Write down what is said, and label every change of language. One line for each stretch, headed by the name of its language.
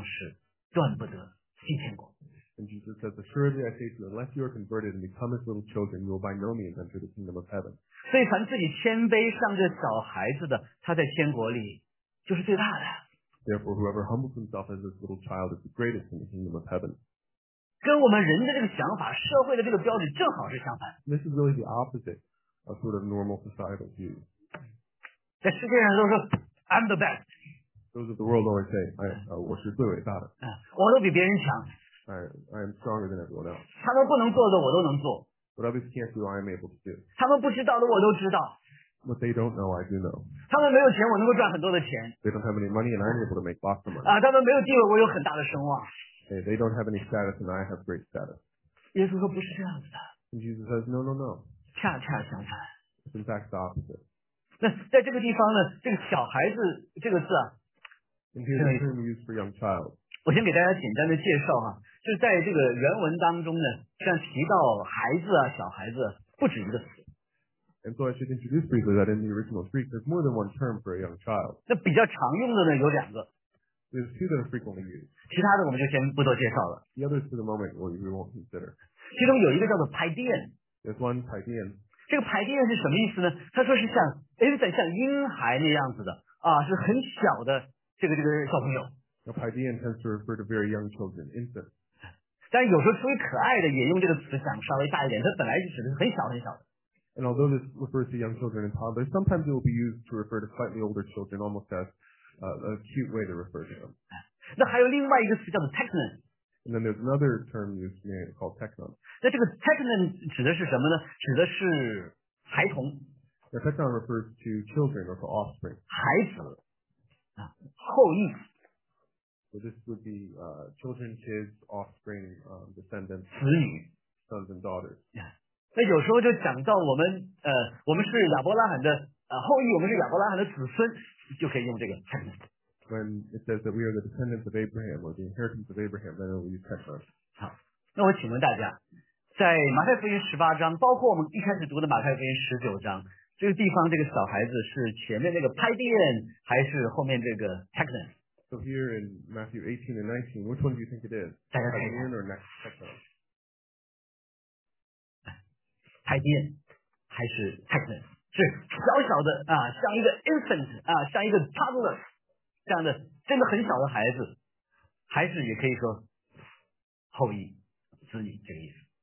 Chinese: 然后说，我实在告诉你们，你们若不回转，变成小孩子的样式，断不得进天国。
English: And Jesus says, assuredly, I say to you, unless you are converted and become as little children, you will by no means enter the kingdom of heaven.
Chinese: 所以凡自己谦卑像这小孩子的，他在天国里就是最大的。
English: Therefore, whoever humbles himself as this little child is the greatest in the kingdom of heaven.
Chinese: 跟我们人的这个想法，社会的这个标准正好是相反。
English: This is really the opposite of sort of normal societal view.
Chinese: 在世界上都说,
English: I'm the best. Those of the world always say,
Chinese: 我是最伟大的。我都比别人强。
English: I am stronger than everyone else.
Chinese: 他们不能做的我都能做。
English: What others can't do, I am able to do.
Chinese: 他们不知道的我都知道。
English: What they don't know, I do know.
Chinese: 他们没有钱，我能够赚很多的钱。
English: They don't have any money, and I'm able to make lots of money.
Chinese: 啊，他们没有地位，我有很大的声望。
English: They don't have any status, and I have great status.
Chinese: 耶稣说不是这样子的。
English: And Jesus says, no, no, no.
Chinese: 恰恰相反。
English: It's in fact the opposite.
Chinese: 那在这个地方呢，这个小孩子这个字啊。
English: And here's the term used for young child.
Chinese: 我先给大家简单的介绍啊，就在这个原文当中呢，像提到孩子啊，小孩子不止一个词。
English: And so I should introduce briefly that in the original Greek, there's more than one term for a young child.
Chinese: 那比较常用的呢有两个。
English: There's two that are frequently used.
Chinese: 其他的我们就先不多介绍了。
English: The others for the moment we won't consider.
Chinese: 其中有一个叫做 Paideion.
English: There's one Paideion.
Chinese: 这个 Paideion 是什么意思呢？他说是像 infant 像婴孩那样子的啊，是很小的这个小朋友。
English: Now, Paideion tends to refer to very young children, infants.
Chinese: 但有时候出于可爱的也用这个词想稍微大一点，它本来就指的是很小很小的。
English: And although this refers to young children and toddlers, sometimes it will be used to refer to slightly older children, almost as a cute way to refer to them.
Chinese: 那还有另外一个词叫做 technon.
English: And then there's another term used called technon.
Chinese: 那这个 technon 指的是什么呢？指的是孩童。
English: The technon refers to children or to offspring.
Chinese: 孩子，后裔。
English: So this would be children, kids, offspring, descendants.
Chinese: 子女。
English: Sons and daughters. Yeah.
Chinese: 那有时候就讲到我们是亚伯拉罕的后裔，我们是亚伯拉罕的子孙，就可以用这个 technon。
English: When it says that we are the descendants of Abraham or the inheritance of Abraham, then we use technon。
Chinese: 好，那我请问大家，在马太福音十八章，包括我们一开始读的马太福音十九章，这个地方这个小孩子是前面那个 Paideion 还是后面这个 technon？
English: So here in Matthew 18 and 19, which one do you think it is? Paideion or next technon?
Chinese: 台电还是 Technon 是小小的啊，像一个 infant 啊，像一个 toddler 这样的，真的很小的孩子，还是也可以说后裔子女这个意思。